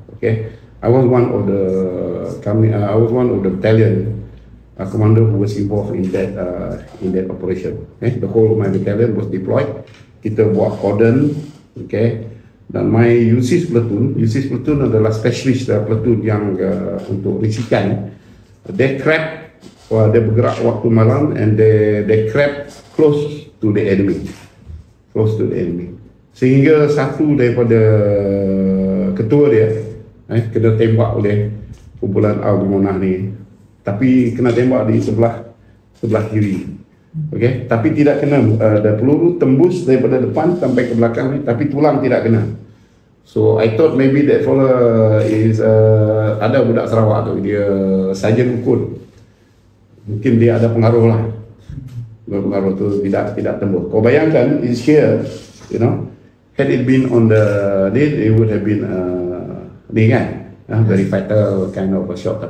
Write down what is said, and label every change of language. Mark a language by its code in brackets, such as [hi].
[en] Okay, I was one of the battalion commander who was involved in that operation. Okay, the whole of my battalion was deployed. [ms] Kita buat cordon, okay. Dan my UCS platoon adalah [en] specialist platoon [ms] yang untuk risikan. [en] They crept, they [ms] bergerak waktu malam, [en] and they crept close to the enemy. [ms] Sehingga satu daripada ketua dia kena tembak oleh kumpulan Al-Gumunah ni. Tapi kena tembak di sebelah kiri. Okay, tapi tidak kena, ada peluru tembus daripada depan sampai ke belakang ni, tapi tulang tidak kena. [en] So I thought maybe that fellow is [ms] ada budak Sarawak tu, dia Sarjan Ukun. Mungkin dia ada pengaruh lah. Pengaruh tu tidak tembus. Kau bayangkan, [en] it's here, you know. Had it been on the lead, it would have been [ms] ni kan, [en] very fatal kind of a shot.